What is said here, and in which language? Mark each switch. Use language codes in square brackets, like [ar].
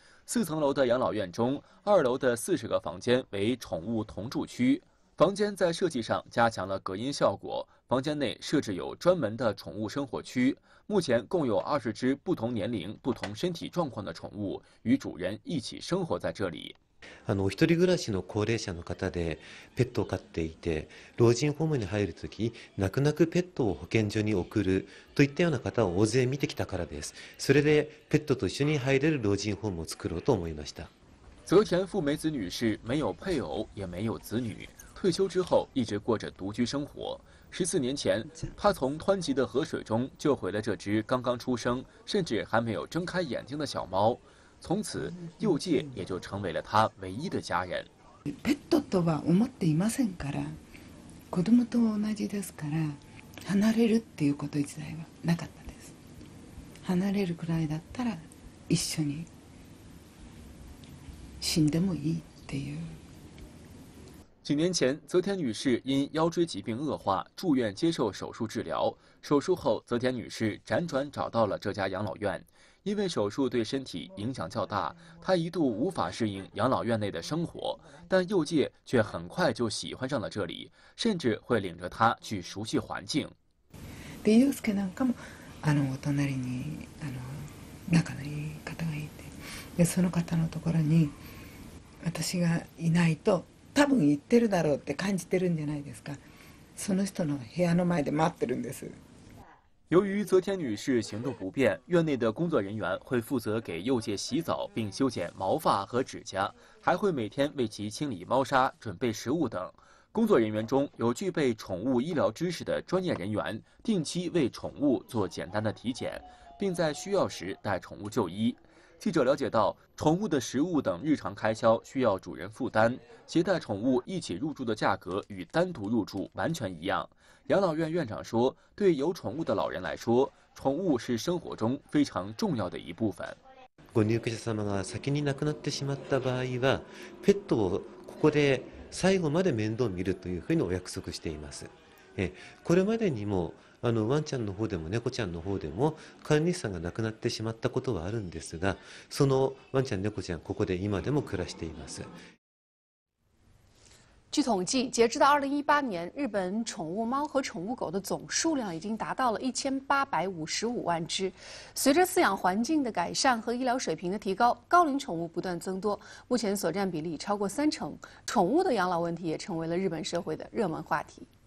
[zh] 4层楼的养老院中，2楼的40个房间为宠物同住区。房间在设计上加强了隔音效果，房间内设置有专门的宠物生活区，目前共有20只不同年龄、不同身体状况的宠物与主人一起生活在这里。 [ja] 一人暮らしの高齢者の方でペットを飼っていて、老人ホームに入るとき、泣く泣くペットを保健所に送るといったような方を大勢見てきたからです。それでペットと一緒に入れる老人ホームを作ろうと思いました。 [zh] 泽田富美子女士没有配偶也没有子女，退休之后一直过着独居生活。 14年前，她从湍急的河水中救回了这只刚刚出生、甚至还没有睁开眼睛的小猫。从此，幼界也就成为了他唯一的家人。 [ja] ペットとは思っていませんから、子供と同じですから、離れるっていうこと自体はなかったです。離れるくらいだったら、一緒に死んでもいいっていう。 [zh] 几年前，泽田女士因腰椎疾病恶化住院接受手术治疗。手术后，泽田女士辗转找到了这家养老院。因为手术对身体影响较大，她一度无法适应养老院内的生活，但佑介却很快就喜欢上了这里，甚至会领着她去熟悉环境。 [ja] で、ユウスケなんかも、お隣に、仲のいい方がいて、で、その方のところに、私がいないと、多分行ってるだろうって感じてるんじゃないですか。その人の部屋の前で待ってるんです。 [zh] 由于泽田女士行动不便，院内的工作人员会负责给幼介洗澡并修剪毛发和指甲，还会每天为其清理猫砂、准备食物等。工作人员中有具备宠物医疗知识的专业人员，定期为宠物做简单的体检，并在需要时带宠物就医。记者了解到，宠物的食物等日常开销需要主人负担，携带宠物一起入住的价格与单独入住完全一样。养老院院长说，对有宠物的老人来说，宠物是生活中非常重要的一部分。 [ja] ご入居者様が先に亡くなってしまった場合は、ペットをここで最後まで面倒見るというふうにお約束しています。これまでにも、ワンちゃんの方でも猫ちゃんの方でも管理さんが亡くなってしまったことはあるんですが、そのワンちゃん猫ちゃんここで今でも暮らしています。 [zh] 据统计，截至到2018年，日本宠物猫和宠物狗的总数量已经达到了1855万只。随着饲养环境的改善和医疗水平的提高，高龄宠物不断增多，目前所占比例超过30%。宠物的养老问题也成为了日本社会的热门话题。